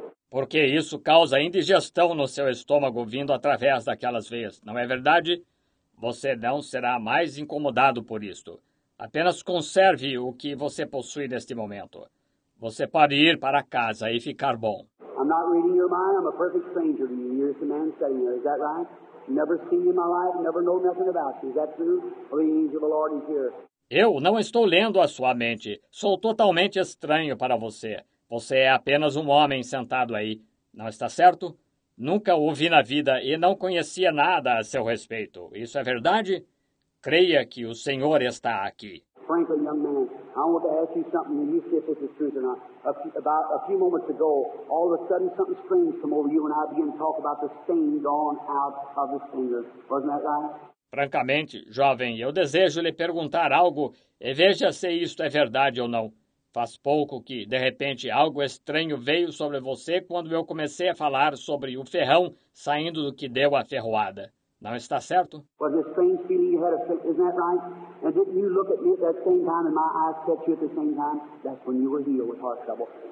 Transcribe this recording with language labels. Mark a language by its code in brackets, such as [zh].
[pt] Porque isso causa indigestão no seu estômago vindo através daquelas veias, não é verdade? Você não será mais incomodado por isto. Apenas conserve o que você possui neste momento. Você pode ir para casa e ficar bom. [en] I'm not reading your mind. I'm a perfect stranger to you. You're the man sitting there. Is that right? Never seen you in my life. Never know nothing about you. Is that true? Well, the angel of the Lord is here. [pt] Eu não estou lendo a sua mente. Sou totalmente estranho para você. Você é apenas um homem sentado aí. Não está certo? Nunca o vi na vida e não conhecia nada a seu respeito. Isso é verdade? Creia que o senhor está aqui. [en] Franklin, young man, I want to ask you something and you see if this is truth or not. About a few moments ago, all of a sudden something strange came over you and I began to talk about the stain gone out of his finger. Wasn't that right? [pt] Francamente, jovem, eu desejo lhe perguntar algo e veja se isto é verdade ou não. Faz pouco que, de repente, algo estranho veio sobre você quando eu comecei a falar sobre o ferrão saindo do que deu a ferroada. Não está certo? [en] Was it a strange feeling you had? Isn't that right? And didn't you look at me at that same time and my eyes catch you at the same time? That's when you were healed with heart trouble.